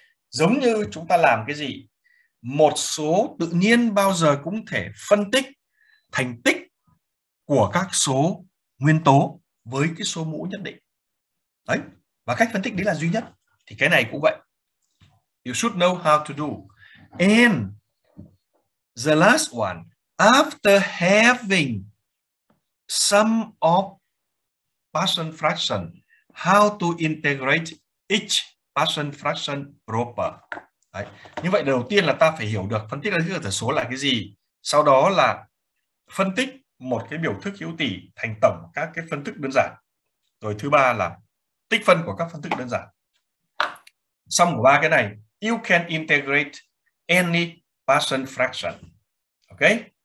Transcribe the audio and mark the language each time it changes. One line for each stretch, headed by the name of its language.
Vietnamese: Giống như chúng ta làm cái gì? Một số tự nhiên bao giờ cũng thể phân tích thành tích của các số nguyên tố với cái số mũ nhất định. Đấy, và cách phân tích đấy là duy nhất. Thì cái này cũng vậy.
English: You should know how to do. And the last one, after having sum of Bassian fraction, how to integrate each Bassian fraction proper.
Vietnamese: Đấy. Như vậy đầu tiên là ta phải hiểu được phân tích đa thức ra thừa số là cái gì. Sau đó là phân tích một cái biểu thức hữu tỉ thành tổng các cái phân thức đơn giản. Rồi thứ ba là tích phân của các phân thức đơn giản. Xong của ba cái này,
English: you can integrate any Bassian fraction. Okay?